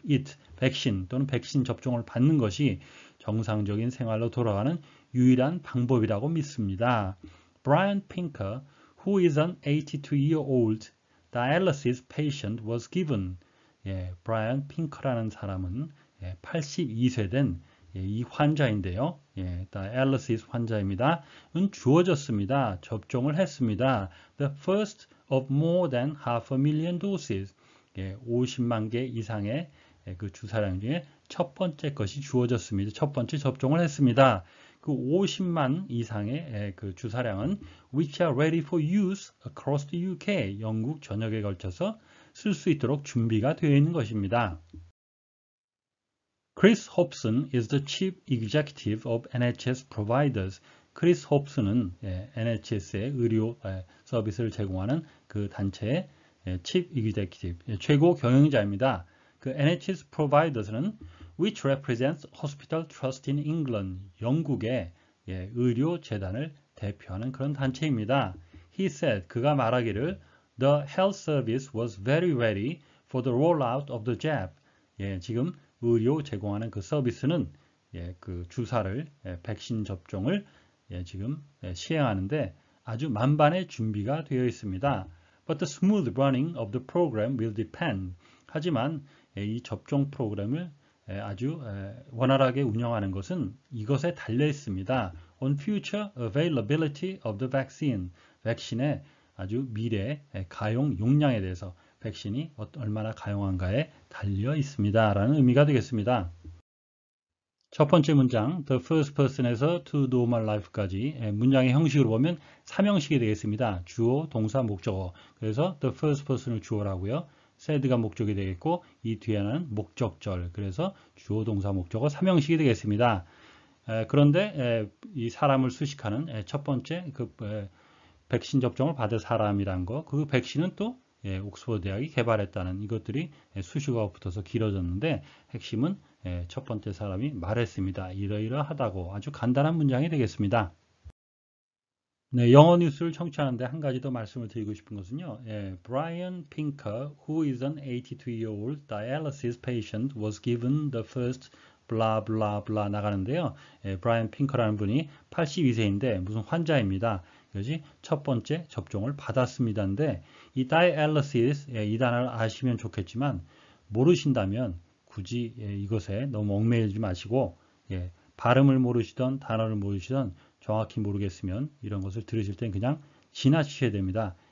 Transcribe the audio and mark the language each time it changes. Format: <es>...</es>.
<ko>It, 백신 또는 백신 접종을 받는 것이 정상적인 생활로 돌아가는 유일한 방법이라고 믿습니다.</ko> <en>Brian Pinker, who is an 82-year-old dialysis patient, was given.</en> <ko>브라이언 핑크라는 사람은 82세 된이 환자인데요. dialysis 환자입니다. 주어졌습니다. 접종을 했습니다.</ko> <en>The first of more than half a million doses.</en> <ko>50만 개 이상의 그 주사량 중에 첫 번째 것이 주어졌습니다. 첫 번째 접종을 했습니다. 그 50만 이상의 그 주사량은</ko> <en>which are ready for use across the UK,</en> <ko>영국 전역에 걸쳐서 쓸수 있도록 준비가 되어 있는 것입니다.</ko> <en>Chris Hobson is the chief executive of NHS providers.</en> <ko>Chris Hobson은 NHS의 의료 서비스를 제공하는 그 단체의 chief executive, 최고 경영자입니다.</ko> <en>그 NHS providers는 which represents hospital trust in England,</en> <ko>영국의 의료 재단을 대표하는 그런 단체입니다.</ko> <en>He said,</en> <ko>그가 말하기를,</ko> <en>The health service was very ready for the rollout of the jab.</en> <ko>예, 지금 의료 제공하는 그 서비스는 예, 그 주사를, 예, 백신 접종을 예, 지금 예, 시행하는데 아주 만반의 준비가 되어 있습니다.</ko> <en>But the smooth running of the program will depend.</en> <ko>하지만 예, 이 접종 프로그램을 예, 아주 예, 원활하게 운영하는 것은 이것에 달려 있습니다.</ko> <en>On future availability of the vaccine.</en> <ko>백신의 아주 미래 가용 용량에 대해서 백신이 얼마나 가용한가에 달려 있습니다. 라는 의미가 되겠습니다. 첫 번째 문장, the first person에서</ko> <en>to normal life</en> <ko>까지 문장의 형식으로 보면 삼형식이 되겠습니다. 주어, 동사, 목적어. 그래서 the first person을 주어라고요. said가 목적이 되겠고 이 뒤에는 목적절. 그래서 주어, 동사, 목적어, 삼형식이 되겠습니다. 그런데 이 사람을 수식하는 첫 번째 그 백신 접종을 받을 사람이란 거, 그 백신은 또 예, 옥스퍼드 대학이 개발했다는 이것들이 예, 수식어가 붙어서 길어졌는데 핵심은 예, 첫 번째 사람이 말했습니다. 이러이러하다고 아주 간단한 문장이 되겠습니다. 네, 영어 뉴스를 청취하는데 한 가지 더 말씀을 드리고 싶은 것은요.</ko> <en>예, Brian Pinker, who is an 82-year-old dialysis patient, was given the first</en> <ko>블라블라블라 나가는데요. 예, Brian Pinker라는 분이 82세인데 무슨 환자입니다. 그지 첫 번째 접종을 받았습니다인데 이 dialysis 이 단어를 아시면 좋겠지만 모르신다면 굳이 이것에 너무 얽매이지 마시고 예, 발음을 모르시던 단어를 모르시던 정확히 모르겠으면 이런 것을 들으실 땐 그냥 지나치셔야 됩니다.</ko>